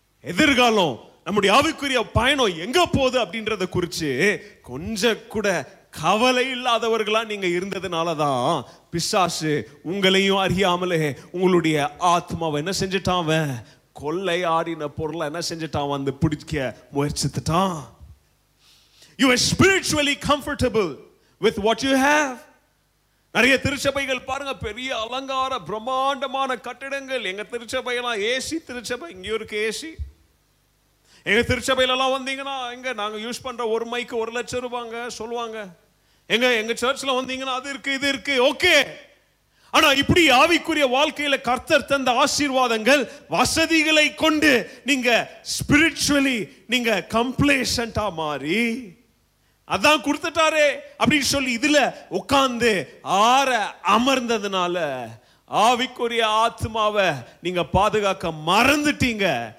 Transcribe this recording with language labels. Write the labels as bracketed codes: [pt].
[ta] எதிர்காலம், நம்முடைய ஆவிக்குரிய பயணம் எங்க போகுது அப்படின்றத குறிச்சு கொஞ்சம் கூட கவலை இல்லாதவர்களா நீங்க இருந்ததுனாலதான் பிசாசு உங்களையும் அறியாமலே உங்களுடைய ஆத்மாவை என்ன செஞ்சிட்டான், அவன் கொள்ளை ஆடின பொருளை என்ன செஞ்சிட்டான், வந்து பிடிக்க முயற்சித்துட்டான். [en] You are spiritually comfortable with what you have. [ta] நிறைய திருச்சபைகள் பாருங்க, பெரிய அலங்கார பிரம்மாண்டமான கட்டிடங்கள். எங்க திருச்சபையெல்லாம் ஏசி திருச்சபை, இங்கே இருக்கு ஏசி. எங்க திருச்சபையிலலாம் வந்தீங்கன்னா இங்க நாங்க யூஸ் பண்ற ஒரு மைக்கு 100,000 ரூபாங்க சொல்லுவாங்க. எங்க எங்க சர்ச்ல வந்தீங்கன்னா அது இருக்கு இது இருக்கு, ஓகே. ஆனா இப்படி ஆவிக்குரிய வாழ்க்கையில கர்த்தர் தந்த ஆசீர்வாதங்கள் வசதிகளை கொண்டு நீங்க [en] spiritually [ta] நீங்க [en] கம்ப்ளேசண்டா [ta] மாறி அதான் கொடுத்துட்டாரே அப்படின்னு சொல்லி இதுல உட்கார்ந்து ஆற அமர்ந்ததுனால ஆவிக்குரிய ஆத்மாவை நீங்க பாதுகாக்க மறந்துட்டீங்க.